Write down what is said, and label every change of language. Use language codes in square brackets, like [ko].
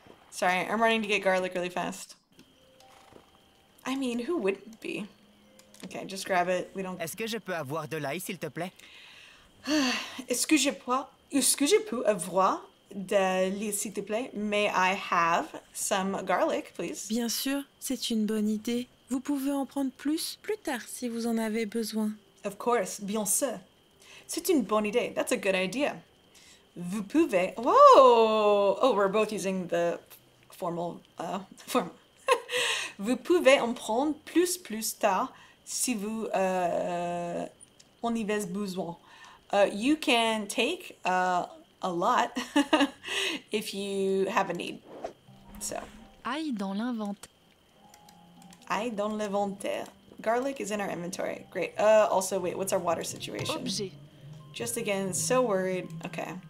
[en] Sorry, I'm running to get garlic really fast. I mean, who wouldn't be? Okay, just grab it. We don't. [fr] Est-ce que je peux avoir de l'ail, s'il te plaît? Est-ce que je peux avoir de l'ail, s'il te plaît? [en] May I have some garlic, please? [fr] Bien sûr, c'est une bonne idée. Vous pouvez en prendre plus tard si vous en avez besoin. [en] Of course, [fr] bien sûr. C'est une bonne idée. [en] That's a good idea. [fr] Vous pouvez. [en] Whoa! Oh, we're both using the formal form. [fr] Vous pouvez en prendre plus tard si vous en avez besoin. [en] You can take a lot if you have a need. So. [fr] Aïe dans l'inventaire. Aïe dans l'inventaire. [en] Garlic is in our inventory. Great. Also, wait, what's our water situation? [fr] Objet. [en] Just again, so worried. Okay.